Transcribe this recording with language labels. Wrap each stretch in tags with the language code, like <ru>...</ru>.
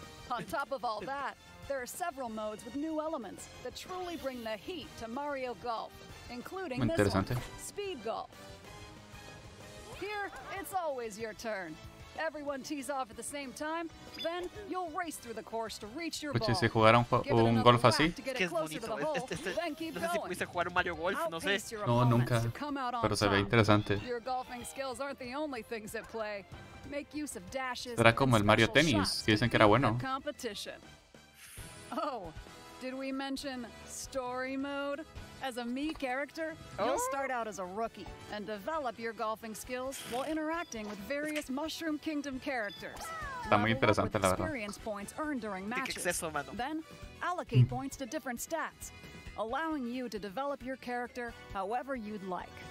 <en>On top of all that, there are several modes with new elements that truly bring the heat to Mario Golf, including this one, speed golf. Here, it's always your turn. Everyone tees off at the same time, then you'll race through the course to reach your ball.</en> <es>Si jugara un golf así, que es bonito. No sé si pudiste jugar un Mario Golf, no sé. No, nunca. Pero se ve interesante.</es> <en>Your golfing skills aren't the only things at play. Make use of dashes.</en> <es>Era como el Mario Tennis, que dicen que era bueno.</es> <en>Oh, did we mention story mode? As a me character, you'll start out as a rookie and develop your golfing skills while interacting with various Mushroom Kingdom characters.</en> <es>Está muy interesante, la verdad.</es> <en>Experience points earned during matches. Then, allocate points to different stats, allowing you to develop your character however you'd like.</en>